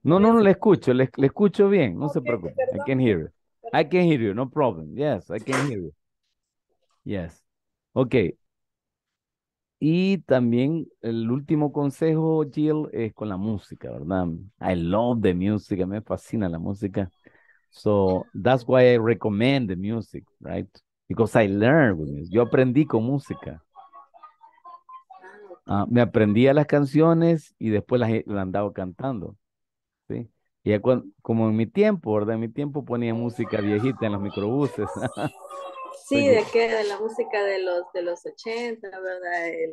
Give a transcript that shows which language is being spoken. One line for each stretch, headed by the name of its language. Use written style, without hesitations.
Spanish: No, le escucho, le escucho bien, no okay, se preocupe.
English: Perdón. I can hear you. I can hear you, no problem. Yes, I can hear you. Yes. Ok.
Spanish: Y también el último consejo, Jill, es con la música, ¿verdad?
English: I love the music, me fascina la música. So, that's why I recommend the music, right? Because I learned with music. Yo aprendí con música.
Spanish: Me aprendía las canciones y después las andaba cantando, ¿sí? Y como en mi tiempo, ¿verdad? En mi tiempo ponía música viejita en los microbuses. Sí, ¿de qué? De la música de los 80, ¿verdad?